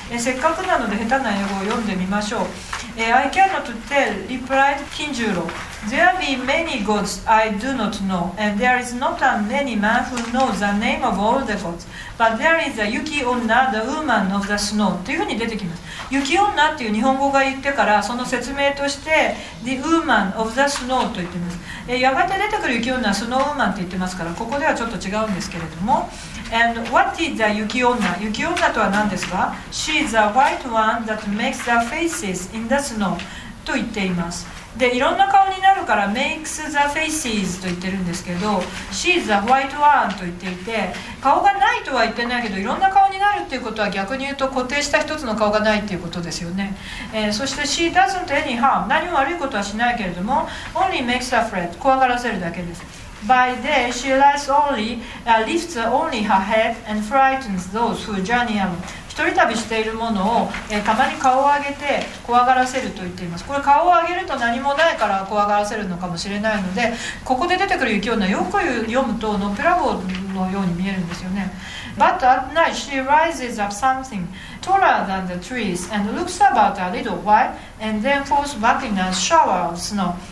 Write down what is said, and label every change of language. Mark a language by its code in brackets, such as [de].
[ja] せっかくなので下手な英語を読んでみましょう、 [en] I cannot tell replied 金十郎There be many gods I do not know, and there is not a many man who knows the name of all the gods, but there is a Yuki Onna, the woman of the snow. [ja] というふうに出てきます。雪女っていう日本語が言ってから、その説明として、 [en] The woman of the snow [ja] と言っています。やがて出てくる雪女はスノーウーマンと言ってますから、ここではちょっと違うんですけれども。 [en] And what is the 雪女? [ja] 雪女とは何ですか? [en] She is a white one that makes the faces in the snow. [ja] と言っています。でいろんな顔になるから [en] makes the faces [ja] と言ってるんですけど [en] she is the white one [ja] と言っていて顔がないとは言ってないけどいろんな顔になるっていうことは逆に言うと固定した一つの顔がないっていうことですよね、そして [en] she doesn't any harm [ja] 何も悪いことはしないけれども [en] only makes afraid [ja] 怖がらせるだけです。 [en] by day she lies only lifts only her head and frightens those who journey along [ja] 一人旅しているものを、たまに顔を上げて怖がらせると言っています。これ顔を上げると何もないから怖がらせるのかもしれないのでここで出てくる雪女よく読むとのっぺらぼうのように見えるんですよね。 [en] But at night she rises up something taller than the trees and looks about a little while and then falls back in a shower of snow.